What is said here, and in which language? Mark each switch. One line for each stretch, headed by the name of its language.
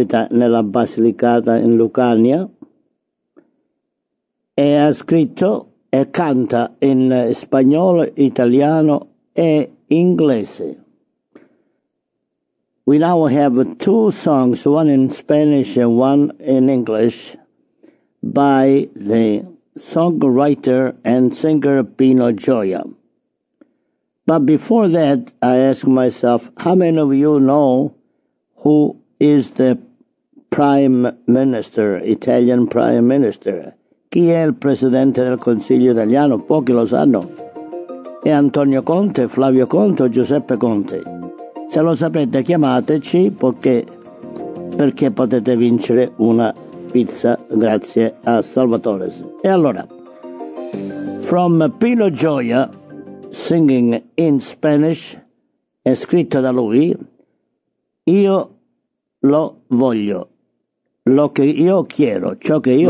Italian: nella Basilicata in Lucania e ha scritto e canta in spagnolo, italiano e inglese.
English: We now have two songs, one in Spanish and one in English, by the songwriter and singer Pino Gioia. But before that, I ask myself, how many of you know who is the Prime Minister, Italian Prime Minister?
Italian: Chi è il Presidente del Consiglio Italiano? Pochi lo sanno. È Antonio Conte, Flavio Conte o Giuseppe Conte? Se lo sapete, chiamateci perché potete vincere una pizza grazie a Salvatore's. E allora,
English: from Pino Gioia, singing in Spanish,
Italian: è scritto da lui, io lo voglio,
Spanish: lo che io quiero,
Italian: ciò che io